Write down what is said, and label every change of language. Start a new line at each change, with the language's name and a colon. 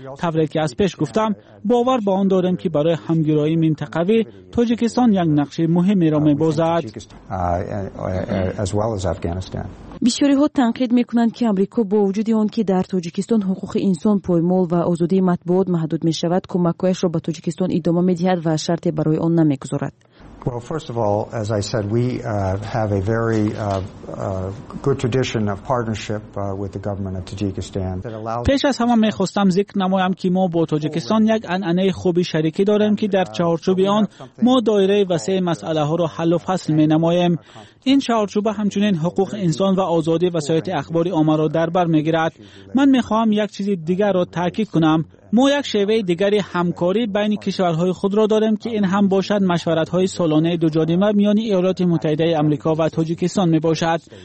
Persian: طوری که از پیش گفتم باور به آن دارم که برای همگرایی منطقوی تاجیکستان یک نقش مهمی را می‌بازد. بسیاری ها تنقید میکنند که امریکا با وجود آن که در تاجیکستان حقوق انسان پایمال و آزادی مطبوعات محدود می شود کمک‌هایش را به تاجیکستان ادامه می دهد و شرطی برای آن نمی گذارد.
English: Well, first of all, as I said, we have a very good tradition of partnership with the government of Tajikistan.
Persian: پیش از همه می‌خواستم ذکر نمایم که ما با تاجیکستان یک عنعنه خوبی شریکی داریم که در چهارچوب آن ما دایره وسیع مسئله ها را حل و فصل می نماییم. این چهارچوبه همچنین حقوق انسان و آزادی وسایط اخباری عامه را در بر می گیرد. من می خواهم یک چیز دیگر را تاکید کنم. ما یک شیوه دیگری همکاری بین کشورهای خود را داریم که این هم باشد مشورت های سالانه دو جانبه میان ایالات متحده آمریکا و تاجیکستان می باشد.